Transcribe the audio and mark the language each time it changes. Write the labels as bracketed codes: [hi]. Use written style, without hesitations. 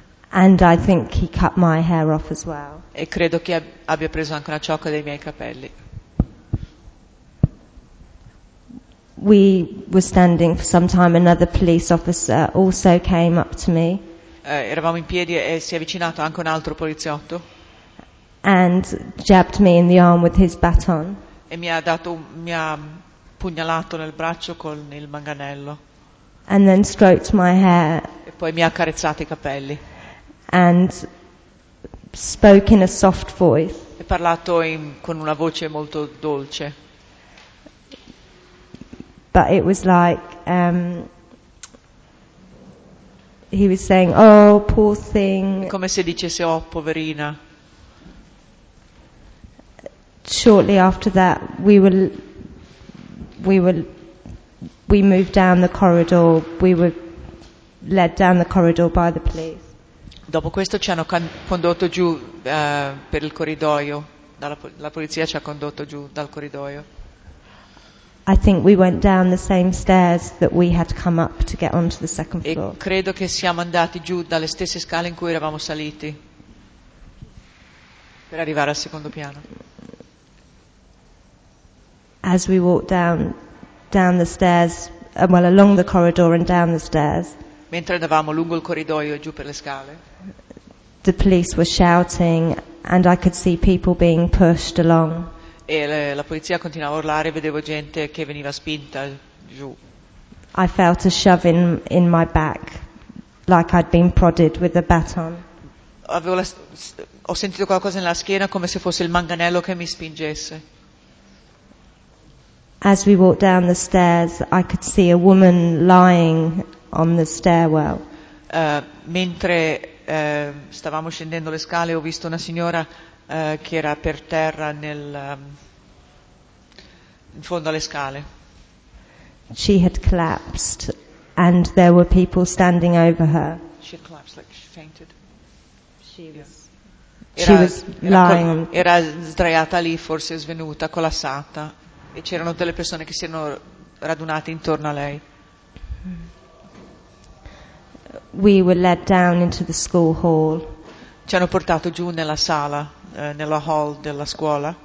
[en] And I think he cut my hair off as well. [it] E credo che abbia preso anche una ciocca dei miei capelli. [en] We were standing for some time. Another police officer also came up to me. [it] Eravamo in piedi e si è avvicinato anche un altro poliziotto. [en] And jabbed me in the arm with his baton. [it] E mi ha pugnalato nel braccio con il manganello. [en] And then stroked my hair. [it] E poi mi ha accarezzato i capelli. [en] And spoke in a soft voice. [it] E parlato con una voce molto dolce. [en] But it was like he was saying, "Oh, poor thing." [it] Come se dicesse, "Oh, poverina." [en] Shortly after that, we moved down the corridor. We were led down the corridor by the police. [it] Dopo questo ci hanno condotto giù per il corridoio. La polizia ci ha condotto giù dal corridoio. [en] I think we went down the same stairs that we had come up to get onto the second floor. [it] E credo che siamo andati giù dalle stesse scale in cui eravamo saliti per arrivare al secondo piano. [en] As we walked down the stairs, well, along the corridor and down the stairs. [it] Mentre andavamo lungo il corridoio e giù per le scale. [en] The police were shouting and I could see people being pushed along. [it] E la polizia continuava a urlare e vedevo gente che veniva spinta giù. [en] I felt a shove in my back, like I'd been prodded with a baton. [it] Ho sentito qualcosa nella schiena come se fosse il manganello che mi spingesse. [en] As we walked down the stairs, I could see a woman lying on the stairwell. [it] Mentre stavamo scendendo le scale, ho visto una signora che era per terra in fondo alle scale. [en] She had collapsed and there were people standing over her. She had collapsed, like she fainted. [it] Era sdraiata lì, forse svenuta, collassata, e c'erano delle persone che si erano radunate intorno a lei. [en] We were led down into the school hall. [it] Ci hanno portato giù nella sala, nella hall della scuola.